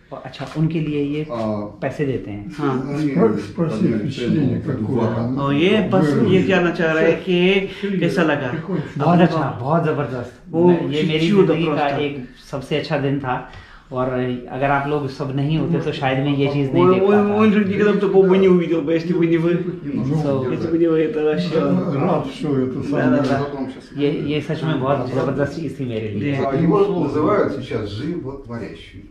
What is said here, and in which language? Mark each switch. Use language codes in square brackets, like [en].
[hi] अच्छा, उनके लिए ये पैसे देते हैं। हाँ, और ये बस ये जानना चाह रहा है कि कैसा लगा। बहुत अच्छा, बहुत जबरदस्त, वो ये मेरी जिंदगी का एक सबसे अच्छा दिन था, और अगर आप लोग सब नहीं होते तो शायद मैं ये चीज नहीं देख पाता। [ru] Он же никогда бы такого не увидел, если бы не вы. Если бы не вы, это вообще. Рад, что это самое. [hi] ये सच में बहुत जबरदस्त चीज थी मेरे लिए। [ru] Его называют сейчас животворящий.